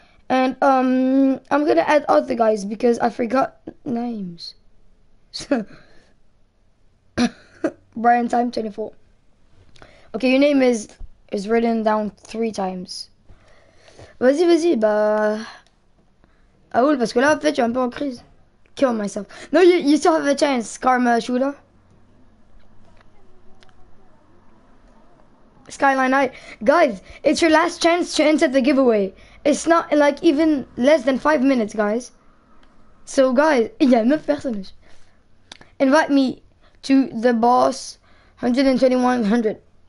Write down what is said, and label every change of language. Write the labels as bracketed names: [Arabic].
[English] And I'm gonna add other guys because I forgot names. So Brian time 24. Okay, your name is written down three times. [French] Vas-y, bah. Ah ouais, parce que là, en fait, je suis un peu en crise. [English] Kill myself. No, you still have a chance, Karma Shooter. Skyline I. Guys, it's your last chance to enter the giveaway. It's not in like even less than 5 minutes, guys. So, guys, [French] il y a 9 personnes. [English] Invite me to the boss 121 100.